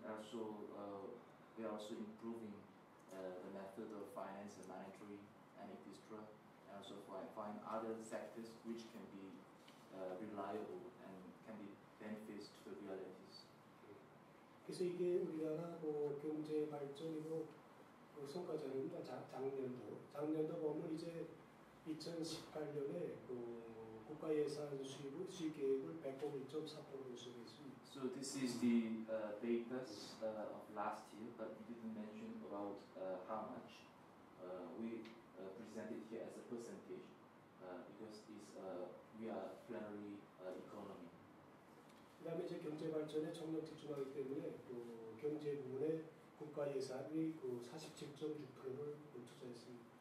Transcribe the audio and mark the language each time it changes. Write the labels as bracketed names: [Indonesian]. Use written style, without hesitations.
[English] And also, we are also improving the method of finance and monetary and etc. And also find other sectors which can be reliable and can be benefits to the realities. [Korean] 그래서 이게 우리나라 경제 발전이고 성과적인 작년도 보면 이제 2018년에 국가 예산 수입 계획을 101.4% 수입했습니다. [English] So this is the data of last year, but we didn't mention about how much we presented here as a percentage. Because it's we are plenary economy. [Korean] 그다음에 이제 경제 발전에 총력 집중하기 때문에 경제 부문에 국가 예산이 47.6%를 투자했습니다.